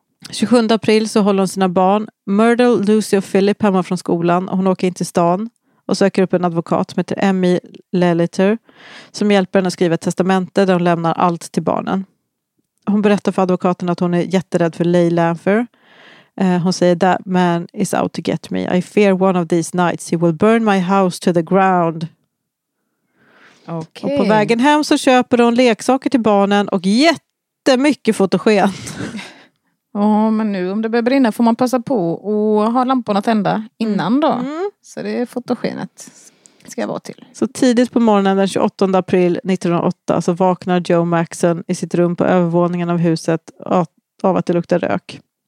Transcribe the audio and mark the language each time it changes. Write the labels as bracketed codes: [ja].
[sv] 27 april så håller hon sina barn Myrtle, Lucy och Philip hemma från skolan. Och hon åker in till stan och söker upp en advokat som heter Emmy Lelliter, som hjälper henne att skriva ett testamente där hon lämnar allt till barnen. Hon berättar för advokaten att hon är jätterädd för Leigh Lanfear. Hon säger: [en] "That man is out to get me. I fear one of these nights he will burn my house to the ground." Okay. [sv] Och på vägen hem så köper hon leksaker till barnen och jättemycket fotogen. Ja, oh, men nu om det börjar brinna får man passa på och ha lamporna tända innan då. Mm. Så det är fotogenet ska jag vara till. Så tidigt på morgonen den 28 april 1908 så vaknar Joe Maxon i sitt rum på övervåningen av huset av att det luktar rök.